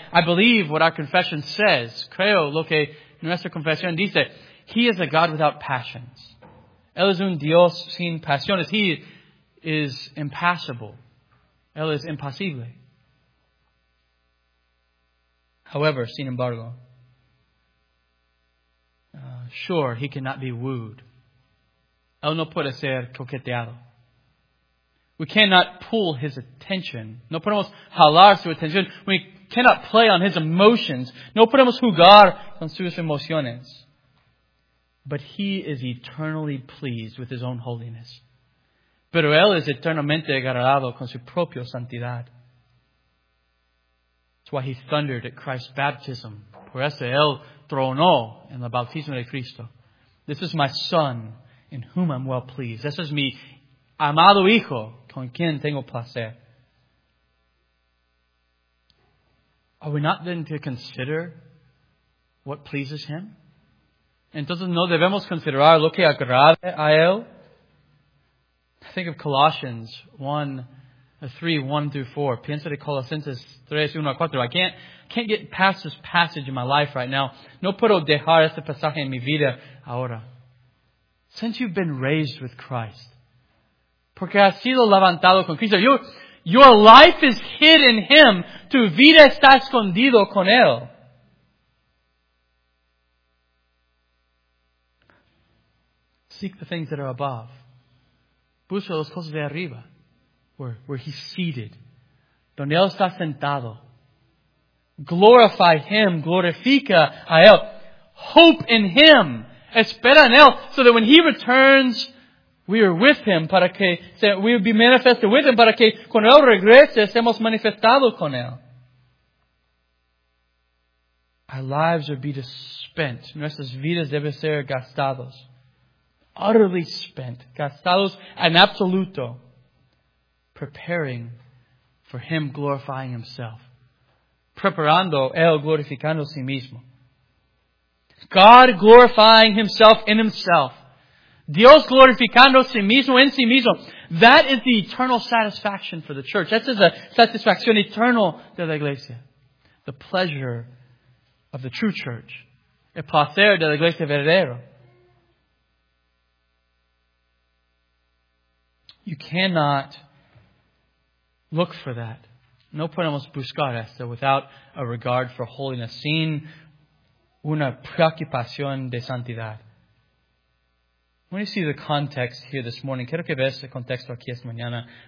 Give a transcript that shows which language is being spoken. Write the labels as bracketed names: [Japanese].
[English] I believe what our confession says. [Spanish] Creo lo que nuestra confesión dice. [English] He is a God without passions. [Spanish] Él es un Dios sin pasiones. [English] He is impassible. [Spanish] Él es impasible. [English] However, [Spanish] sin embargo, [English] sure, he cannot be wooed. [Spanish] Él no puede ser coqueteado. [English] We cannot pull his attention. [Spanish] No podemos jalar su atención. [English] We cannot play on his emotions. [Spanish] No podemos jugar con sus emociones. [English] But he is eternally pleased with his own holiness. [Spanish] Pero él es eternamente agradado con su propia santidad. [English] That's why he thundered at Christ's baptism. [Spanish] Por eso él tronó en el bautismo de Cristo. [English] This is my son in whom I'm well pleased. [Spanish] This is mi amado hijo con quien tengo placer. [English] Are we not then to consider what pleases him? [Spanish] Entonces no debemos considerar lo que agrada a él. [English] Think of Colossians 1:3-4. [Spanish] Piensa de Colosenses 3:1-4. [English] I can't get past this passage in my life right now. [Spanish] No puedo dejar este pasaje en mi vida ahora. [English] Since you've been raised with Christ, [Spanish] porque has sido levantado con Cristo, [English] your life is hid in Him. [Spanish] Tu vida está escondido con Él. [English] Seek the things that are above. [Spanish] Busca las cosas de arriba. [English] Where He's seated. [Spanish] Donde Él está sentado. [English] Glorify Him. [Spanish] Glorifica a Él. [English] Hope in Him. [Spanish] Espera en Él. [English] So that when He returns, we are with Him. [Spanish] Para que se, [English] we will be manifested with Him. [Spanish] Para que cuando Él regrese, estemos manifestados con Él. [English] Our lives will be spent. [Spanish] Nuestras vidas deben ser gastados. [English] Utterly spent. [Spanish] Gastados en absoluto. [English] Preparing for Him glorifying Himself. [Spanish] Preparando Él glorificando a sí mismo. [English] God glorifying Himself in Himself. [Spanish] Dios glorificando a sí mismo en sí mismo. [English] That is the eternal satisfaction for the church. That is [Spanish] a satisfacción eternal de la iglesia. [English] The pleasure of the true church. El placer de la iglesia verdadero. You cannot look for that. [Spanish] No podemos buscar esto [English] without a regard for holiness, [Spanish] sin una preocupación de santidad. [English] When you see the context here this morning, [Spanish] quiero que veas el contexto aquí esta mañana.